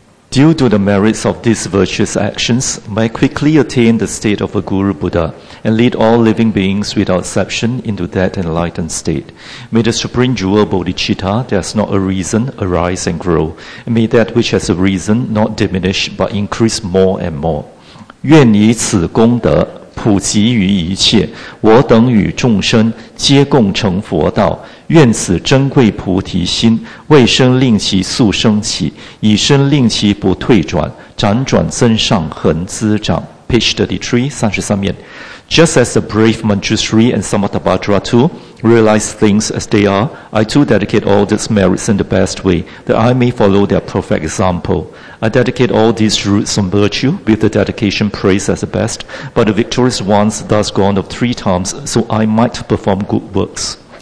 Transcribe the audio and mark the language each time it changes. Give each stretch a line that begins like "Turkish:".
English: Due to the merits of these virtuous actions, may quickly attain the state of a Guru Buddha and lead all living beings without exception into that enlightened state. May the supreme jewel Bodhicitta, that has not arisen, arise and grow. And may that which has arisen not diminish but increase more and more.
Chinese: 愿以此功德普及于一切，我等与众生皆共成佛道，愿此珍贵菩提心为生令其速生起，以生令其不退转，辗转增上恒滋长。
English: Page 33 Just as the brave Manjushri and Samatabhadra too realize things as they are, I too dedicate all these merits in the best way, that I may follow their perfect example. I dedicate all these roots on virtue, with the dedication praised as the best, by the victorious ones thus gone of three times, so I might perform good works.